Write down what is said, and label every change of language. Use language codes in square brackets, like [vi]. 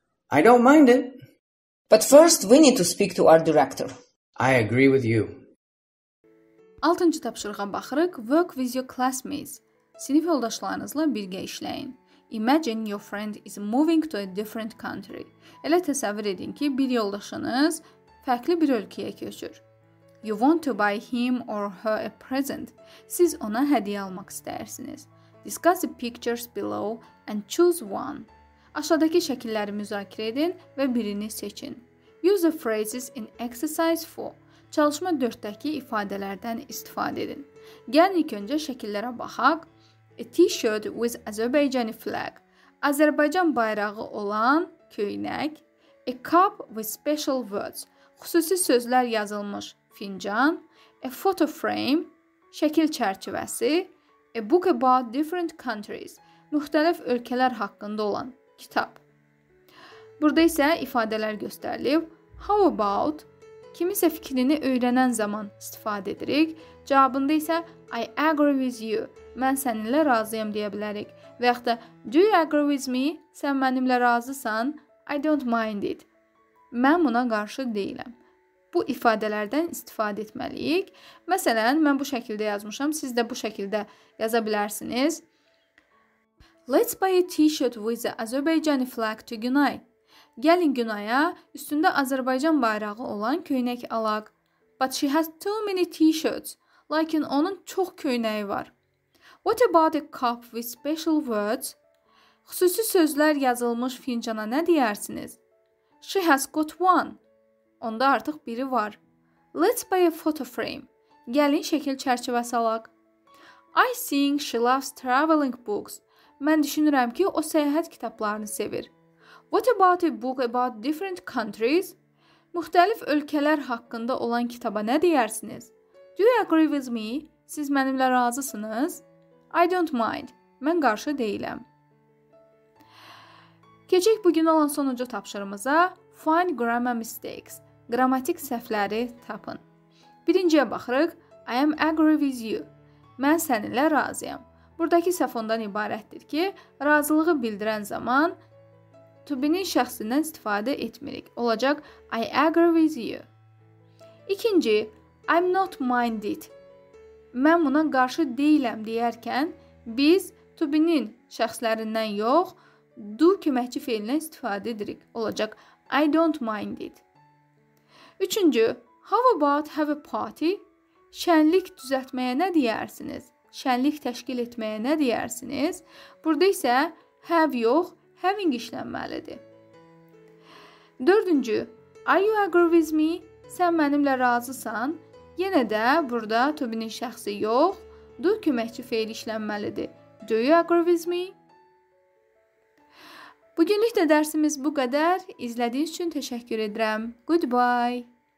[en] I don't mind it. But first, we need to speak to our director. I agree with you. [az] 6-cı tapşırığa baxırıq. [en] Work with your classmates. [az] Sinif yoldaşlarınızla birgə işləyin. [en] Imagine your friend is moving to a different country. [az] Elə təsəvvür edin ki, bir yoldaşınız fərqli bir ölkəyə köçür. [en] You want to buy him or her a present. [az] Siz ona hədiyə almaq istəyirsiniz. [en] Discuss the pictures below and choose one. [az] Aşağıdakı şəkilləri müzakirə edin və birini seçin. [en] Use the phrases in exercise 4. [az] Çalışma 4-dəki ifadələrdən istifadə edin. Gəlin ilk öncə şəkillərə baxaq. [en] A t-shirt with Azerbaijani flag. [az] Azərbaycan bayrağı olan köynək. [en] A cup with special words. [az] Xüsusi sözlər yazılmış fincan. [en] A photo frame. [az] Şəkil çərçivəsi. [en] A book about different countries. [az] Müxtəlif ölkələr haqqında olan kitab. Burada isə ifadələr göstərilib. [en] How about? [az] Kimisə fikrini öyrənən zaman istifadə edirik. Cavabında isə [en] I agree with you. [az] Mən səninlə razıyam deyə bilərik. Və yaxud da [en] Do you agree with me? [az] Sən mənimlə razısan. [en] I don't mind it. [az] Mən buna qarşı deyiləm. Bu ifadələrdən istifadə etməliyik. Məsələn, mən bu şəkildə yazmışam. Siz də bu şəkildə yaza bilərsiniz. [en] Let's buy a t-shirt with the Azerbaijani flag tonight. [az] Gəlin Günaya, üstündə Azərbaycan bayrağı olan köynək alaq. [en] But she has too many t-shirts. [az] Lakin onun çox köynəyi var. [en] What about a cup with special words? [az] Xüsusi sözlər yazılmış fincana nə deyərsiniz? [en] She has got one. [az] Onda artıq biri var. [en] Let's buy a photo frame. [az] Gəlin şəkil çərçivəsi alaq. [en] I think she loves traveling books. [az] Mən düşünürəm ki, o səyahət kitablarını sevir. [en] What about a book about different countries? [az] Müxtəlif ölkələr haqqında olan kitaba nə deyərsiniz? [en] Do you agree with me? [az] Siz mənimlə razısınız? [en] I don't mind. [az] Mən qarşı deyiləm. Keçək bugün olan sonuncu tapşırımıza. [en] Find grammar mistakes. [az] Qrammatik səhvləri tapın. Birinciyə baxırıq. [en] I am agree with you. [az] Mən səninlə razıyam. Buradakı səhv ondan ibarətdir ki, razılığı bildirən zaman to be-nin şəxsindən istifadə etmirik. Olacaq, [en] I agree with you. [az] İkinci, [en] I'm not mind it. [az] Mən buna qarşı deyiləm deyərkən, biz to be-nin şəxslərindən yox, do köməkçi fiilindən istifadə edirik. Olacaq, [en] I don't mind it. [az] Üçüncü, [en] how about have a party? [az] Şənlik düzeltmeye ne deyirsiniz? Şənlik təşkil etmeye ne deyirsiniz? Burada isə have yox, having işlənməlidir. Dördüncü, [en] are you agree with me? [az] Sən mənimlə razısan? Yenə də burada Tobinin şəxsi yox, do köməkçi feil işlənməlidir. [en] Do you agree with me? [az] Bugünlük də dərsimiz bu qədər. İzlədiyiniz üçün təşəkkür edirəm. Goodbye.